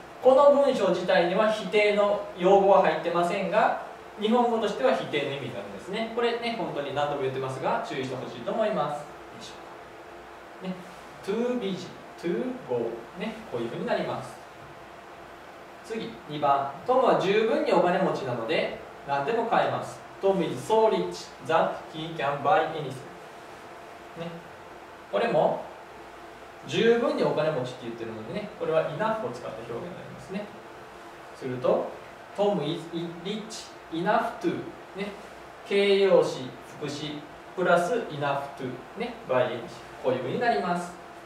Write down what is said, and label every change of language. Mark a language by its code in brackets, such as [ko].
[ja] この文章自体には否定の用語は入ってませんが、日本語としては否定の意味になるんですね。これね、本当に何度も言ってますが、注意してほしいと思います。よいしょ。ね、 to busy, to go。ね、こういうふうになります。次、2番。トムは十分にお金持ちなので、何でも買えます。 [en] Tom is so rich that he can buy anything。 [ja] ね、これも、十分にお金持ちって言ってるのでね、これは enough を使った表現になりますね。すると Tom is rich enough to、ね、形容詞副詞プラス enough to、ね、by any こういう風になります。